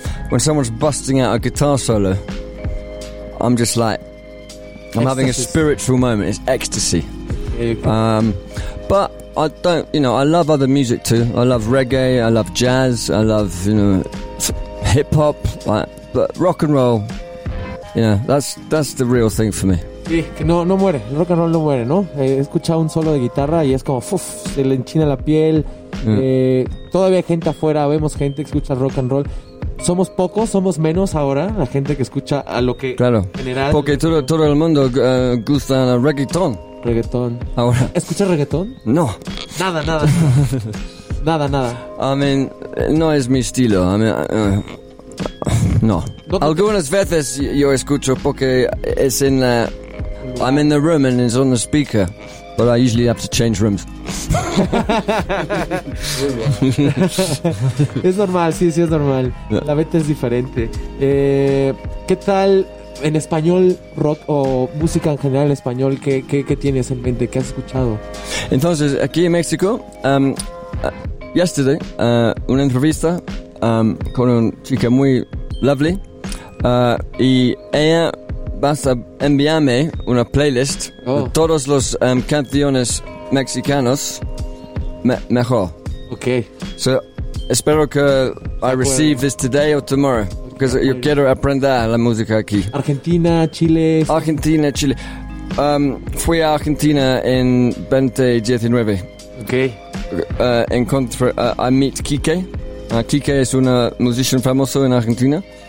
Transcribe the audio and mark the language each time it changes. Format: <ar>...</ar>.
<en>When someone's busting out a guitar solo, I'm just like, I'm having a spiritual moment. It's ecstasy. But I don't, you know, I love other music too. I love reggae, I love jazz, I love, you know, hip hop. But rock and roll, you know, that's the real thing for me.</en> <es>Sí, que no muere, el rock and roll no muere, ¿no? He escuchado un solo de guitarra y es como, uff, se le enchina la piel. Mm. Todavía hay gente afuera, vemos gente que escucha rock and roll. Somos pocos, somos menos ahora la gente que escucha a lo que claro, general. Porque todo el mundo gusta el reggaetón. Reggaetón. Ahora. ¿Escuchas reggaetón? No. Nada. Nada.</es> <en>I mean,</en> <es>no es mi estilo. I mean, no. Algunas veces yo escucho porque es en la.</es> <en>I'm in the room and it's on the speaker, but I usually have to change rooms.</en> <es>Es normal, sí, es normal. Yeah. La venta es diferente. ¿Qué tal en español rock o música en general en español? ¿Qué tienes en mente? ¿Qué has escuchado? Entonces, aquí en México, yesterday, una entrevista con una chica muy lovely, y ella vas a enviarme una playlist de todos los canciones mexicanos mejor. Okay.</es> <en>So,</en> <es>espero que</es> <en>I receive this today or tomorrow. Because</en> <es>yo quiero aprender la música aquí. Argentina, Chile. Fui a Argentina en 2019. Okay.</es> <en>I meet</en> <es>Kike. Kike es una musician famoso en Argentina.</es>